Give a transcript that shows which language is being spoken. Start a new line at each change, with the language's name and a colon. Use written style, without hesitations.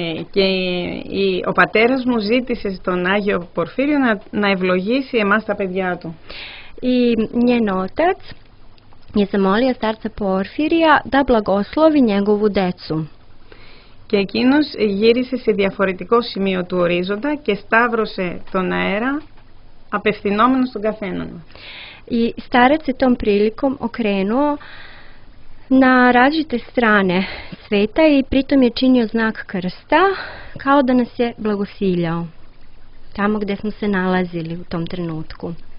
Greek: Και ο πατέρας μου ζήτησε στον Άγιο Πορφύριο να ευλογήσει εμάς τα παιδιά του.
Serbian: Η νιενότατς je zamolio starca Porfirija da blagoslovi njegovu decu.
Greek: Και εκείνος γύρισε σε διαφορετικό σημείο του ορίζοντα και σταύρωσε τον αέρα απευθυνόμενο στον καθέναν.
Serbian: I starac se tom prilikom okrenuo na različite strane sveta i pritom je činio znak krsta kao da nas je blagosiljao tamo gde smo se nalazili u tom trenutku.